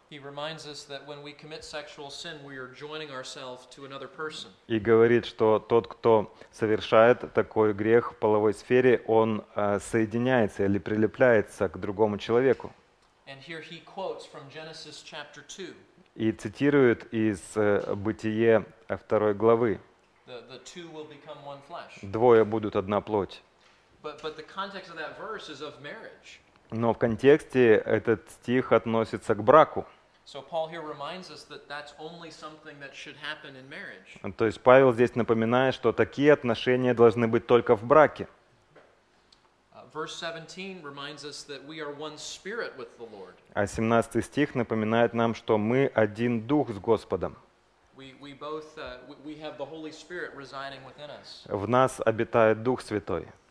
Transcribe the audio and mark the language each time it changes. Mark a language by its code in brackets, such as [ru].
[ru] И говорит, что тот, кто совершает такой грех в половой сфере, он соединяется или прилепляется к другому человеку. [en] And here he quotes from Genesis chapter 2. [ru] И цитирует из Бытие второй главы. [en] The two will become one flesh. [ru] Двое будут одна плоть. [en] But the context of that verse is of marriage. [ru] Но в контексте этот стих относится к браку. [en] So Paul here reminds us that that's only something that should happen in marriage. [ru] То есть Павел здесь напоминает, что такие отношения должны быть только в браке. [en] Verse 17 reminds us that we are one spirit with the Lord. [ru] А 17 стих напоминает нам, что мы один дух с Господом. [en] We have the Holy Spirit residing within us. [ru] В нас обитает Дух Святой.